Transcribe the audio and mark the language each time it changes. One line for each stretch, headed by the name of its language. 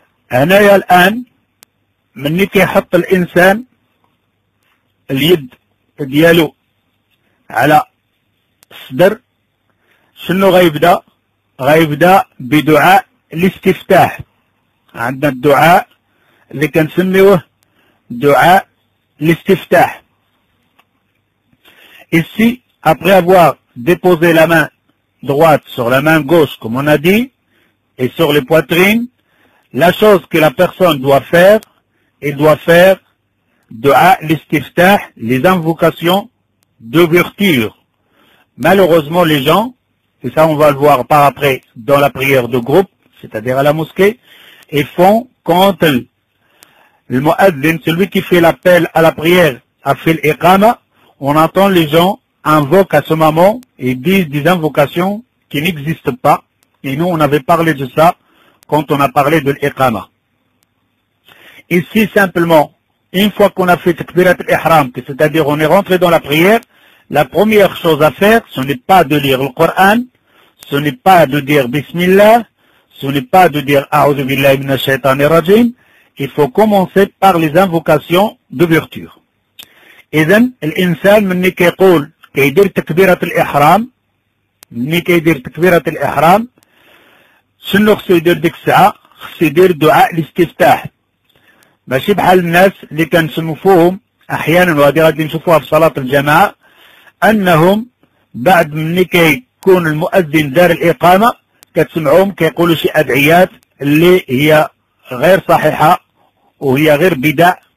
Arabic: هنايا الان ملي كيحط الانسان اليد ديالو على الصدر شنو غيبدا؟ غيبدا بدعاء الاستفتاح. عندنا الدعاء اللي كنسميوه دعاء الاستفتاح.
French: Ici, après avoir déposé la main droite sur la main gauche, comme on a dit, et sur les poitrines, la chose que la personne doit faire, elle doit faire du'a l'istiftah, les invocations d'ouverture. Malheureusement, les gens, et ça on va le voir par après dans la prière de groupe, c'est-à-dire à la mosquée, ils font quand le mu'adhin, celui qui fait l'appel à la prière, a fait l'iqama, on entend les gens invoquent à ce moment et disent des invocations qui n'existent pas. Et nous, on avait parlé de ça quand on a parlé de l'Iqama. Ici, simplement, une fois qu'on a fait Takbirat al-Ihram, c'est-à-dire on est rentré dans la prière, la première chose à faire, ce n'est pas de lire le Coran, ce n'est pas de dire Bismillah, ce n'est pas de dire
Arabic: A'udhu Billahi Minash Shaitanir Rajim.
French: Il faut commencer par les invocations d'ouverture.
Arabic: إذن الإنسان مني كيقول كيدير تكبيرة الإحرام، مني كيدير تكبيرة الإحرام شنو خصو يدير ديك الساعة؟ خصو يدير دعاء الاستفتاح، ماشي بحال الناس اللي كنسمو فيهم أحيانا وهادي غادي نشوفوها في صلاة الجماعة، أنهم بعد مني كيكون المؤذن دار الإقامة كتسمعهم كيقولوا شي أدعيات اللي هي غير صحيحة وهي غير بدع.